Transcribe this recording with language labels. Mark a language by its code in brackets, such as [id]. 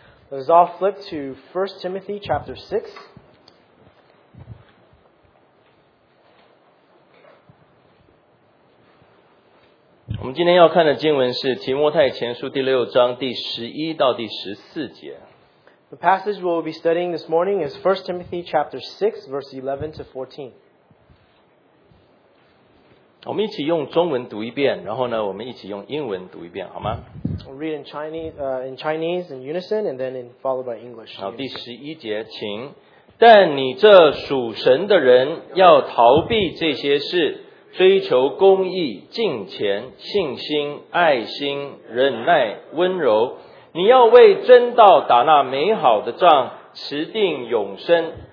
[en] Let's all flip to 1 Timothy chapter 6. [zh] 我们今天要看的经文是提摩太前书第六章第十一到第十四节。 [en] The passage we'll be studying this morning is 1 Timothy chapter 6, verse 11 to 14. [zh] 我们一起用中文读一遍，然后呢，我们一起用英文读一遍，好吗？ [en] We'll read in Chinese in unison, and then followed by English. [zh] 好，第十一节，请。但你这属神的人，要逃避这些事，追求公义、敬虔、信心、爱心、忍耐、温柔。你要为真道打那美好的仗，持定永生。